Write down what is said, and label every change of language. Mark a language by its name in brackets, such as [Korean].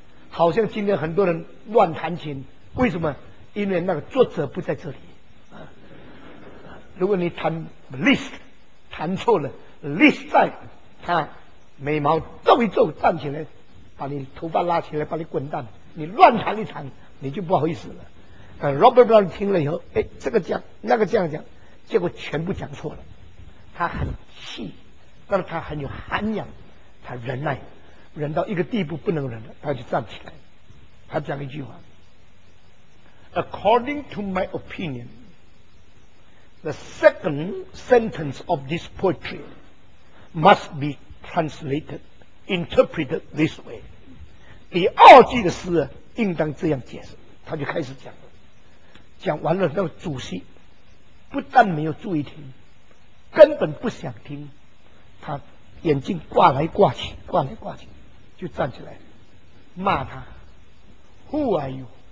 [Chinese] 好像今天很多人乱弹琴，为什么？因为那个作者不在这里，如果你弹 list 弹错了 list 在，他眉毛皱一皱站起来，把你头发拉起来把你滚蛋，你乱弹一弹你就不好意思了。 Robert Brown 听了以后，哎，这个讲那个这样讲，结果全部讲错了。他很气，但是他很有涵养，他忍耐，忍到一个地步不能忍了，他就站起来，他讲一句话。 [English] According to my opinion, the second sentence of this poetry must be translated, interpreted this way. [Chinese] 第二句的诗应当这样解释。他就开始讲了，讲完了，那个主席不但没有注意听，根本不想听，他眼睛挂来挂去，挂来挂去，就站起来骂他 ， [English] Who are you?